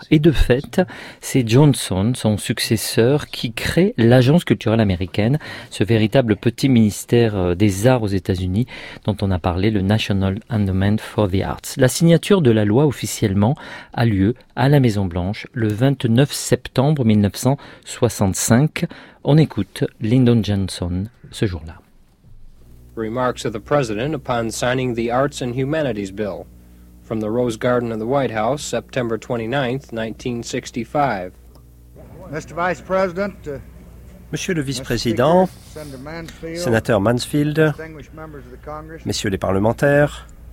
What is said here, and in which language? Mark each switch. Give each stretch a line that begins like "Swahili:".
French: Et de fait, c'est Johnson, son successeur, qui crée l'Agence culturelle américaine, ce véritable petit ministère des arts aux États-Unis dont on a parlé, le National Endowment for the Arts. La signature de la loi officiellement a lieu à la Maison-Blanche le 29 septembre 1965. On écoute Lyndon Johnson ce jour-là.
English: Remarks of the President upon signing the Arts and Humanities Bill from the Rose Garden of the White House, September 29, 1965. Mr. Vice President,
French: Monsieur le Vice-président, Sénateur Mansfield, Messieurs les parlementaires,